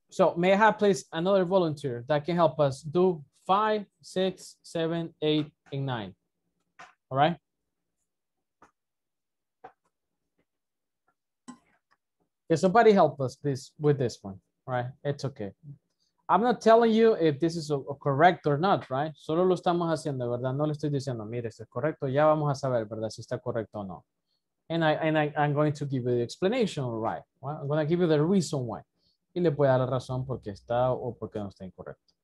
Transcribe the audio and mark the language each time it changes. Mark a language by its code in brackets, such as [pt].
[en] So may I have please another volunteer that can help us do 5, 6, 7, 8, and 9. All right. Can somebody help us please with this one? All right. It's okay. I'm not telling you if this is a correct or not, right? [es] Solo lo estamos haciendo, ¿verdad? No le estoy diciendo, mire, si es correcto, ya vamos a saber, ¿verdad? Si está correcto o no. [en] And I'm going to give you the explanation, right? Well, I'm going to give you the reason why. [es] Y le voy a dar la razón por qué está o por qué no está incorrecto.